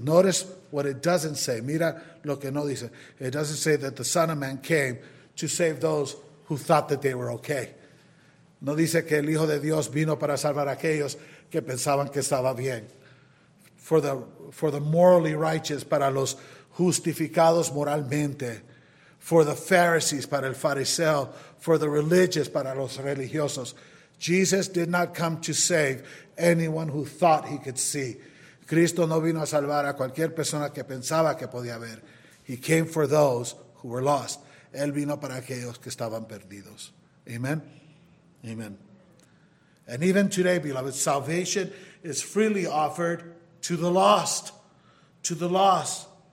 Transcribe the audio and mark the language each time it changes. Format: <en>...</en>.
<en>Notice what it doesn't say.</en> <es>Mira lo que no dice.</es> <en>It doesn't say that the Son of Man came to save those who thought that they were okay.</en> <es>No dice que el Hijo de Dios vino para salvar a aquellos que pensaban que estaba bien.</es> <en>For the morally righteous,</en> <es>para los justificados moralmente.</es> <en>For the Pharisees,</en> <es>para el fariseo.</es> <en>For the religious,</en> <es>para los religiosos.</es> <en>Jesus did not come to save anyone who thought he could see.</en> <es>Cristo no vino a salvar a cualquier persona que pensaba que podía ver.</es> <en>He came for those who were lost.</en> <es>Él vino para aquellos que estaban perdidos.</es> <en>Amen. Amen. And even today, beloved, salvation is freely offered to the lost. To the lost.</en>